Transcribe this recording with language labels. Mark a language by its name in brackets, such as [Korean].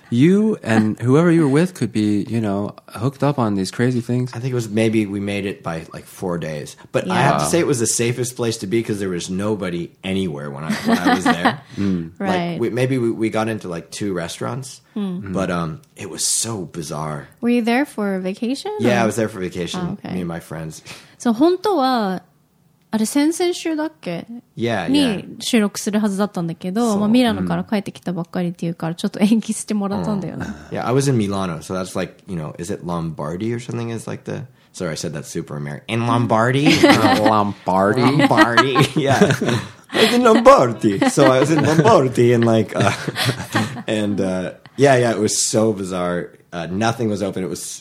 [English] You and whoever you were with could be, you know, hooked up on these crazy things. I think it was maybe we made it by like 4 days, but I have to say it was the safest place to be because there was nobody anywhere when I was there. We got into like 2 restaurants, but it was so bizarre. Were you there for vacation? Yeah, I was there for vacation. Oh, okay. Me and my friends. [Japanese] So 本当は あれ先々週だっけ? に収録するはずだったんだけど ミラノ から帰ってきたばっかりっていうからちょっと延期してもらったんだよね [English] Yeah, I was in Milano. So that's like, you know, is it Lombardy or something? Is like the, sorry, I said that super American. In Lombardy? Lombardy? Lombardy, yeah. Like in Lombardy. So I was in Lombardy and like it was so bizarre. Nothing was open.